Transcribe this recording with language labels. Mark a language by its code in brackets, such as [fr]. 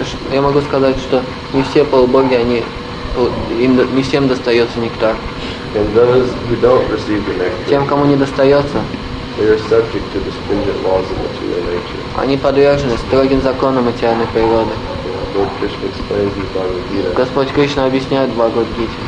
[ru] Я могу сказать, что не все полубоги, они не всем достается нектар. [en] And those who don't receive the nectar, [ru] тем, кому не достается, [en] they are subject to the stringent laws of material nature. [ru] Они подвержены строгим законам материальной природы. [en] Lord Krishna explains the Bhagavad-gita. [ru] Господь Кришна объясняет Бхагавад-гите.